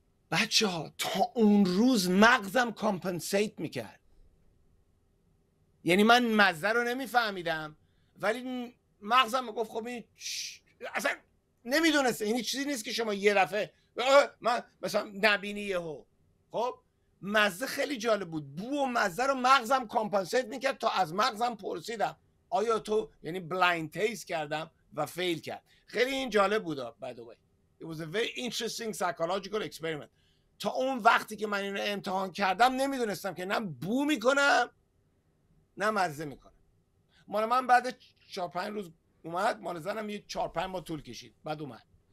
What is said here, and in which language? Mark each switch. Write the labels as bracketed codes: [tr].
[fa] بچه ها تا اون روز مغزم کامپنسیت میکرد، یعنی من مزه رو نمیفهمیدم ولی مغزم میگفت خب این اصلا نمیدونسته، این چیزی نیست که شما یه دفعه من مثلا نبینی یهو. خب مزه خیلی جالب بود، بو و مزه رو مغزم کامپنسیت میکرد. تا از مغزم پرسیدم آیا تو، یعنی بلایند تیست کردم و فیل کرد. خیلی این جالب بود. [en] By the way It was a very interesting psychological experiment. [fa] تا اون وقتی که من اینو امتحان کردم نمیدونستم که نه بو میکنم نه مزه میکنم. مال من بعد 4-5 روز اومد، مال زنم یه 4-5 ماه طول کشید بعد اومد.